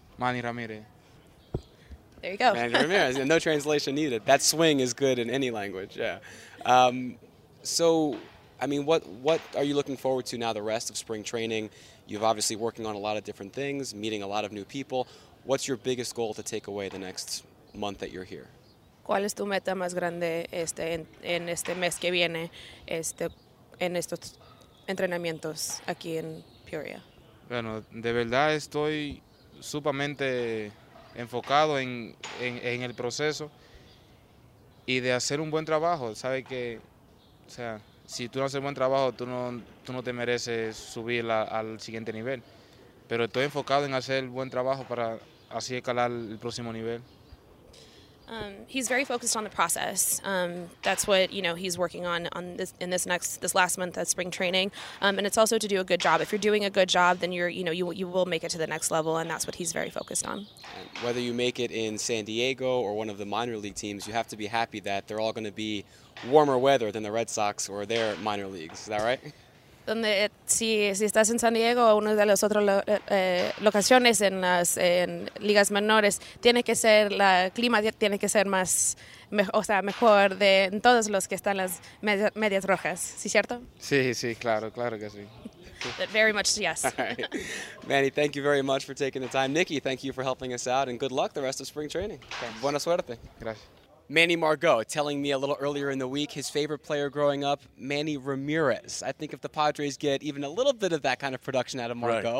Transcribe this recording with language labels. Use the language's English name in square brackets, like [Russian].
[English] Manny Ramirez. There you go. Manny Ramirez. No translation needed. That swing is good in any language, yeah. So, I mean, what are you looking forward to now the rest of spring training? You've obviously working on a lot of different things, meeting a lot of new people. What's your biggest goal to take away the next month that you're here? [Spanish] ¿Cuál es tu meta más grande en este mes que viene en estos entrenamientos aquí en Peoria? Bueno, de verdad estoy sumamente enfocado en el proceso y de hacer un buen trabajo. Sabes que, o sea, si tú no haces un buen trabajo, tú no te mereces subir al siguiente nivel. Pero estoy enfocado en hacer buen trabajo para así escalar el próximo nivel. [English] He's very focused on the process. That's what, you know, he's working on this last month of spring training. And it's also to do a good job. If you're doing a good job, then you will make it to the next level, and that's what he's very focused on. Whether you make it in San Diego or one of the minor league teams, you have to be happy that they're all going to be warmer weather than the Red Sox or their minor leagues. Is that right? [Spanish] Donde si estás en San Diego o una de las otras locaciones en ligas menores, tiene que ser la clima tiene que ser más mejor de todos los que están las medias rojas, ¿sí cierto? Sí, claro que sí. [English] Very much yes. Right. Manny, thank you very much for taking the time. Nikki, thank you for helping us out and good luck the rest of spring training. Thanks. [Spanish] Buena suerte. Gracias. [English] Manny Margot telling me a little earlier in the week his favorite player growing up, Manny Ramirez. I think if the Padres get even a little bit of that kind of production out of Margot,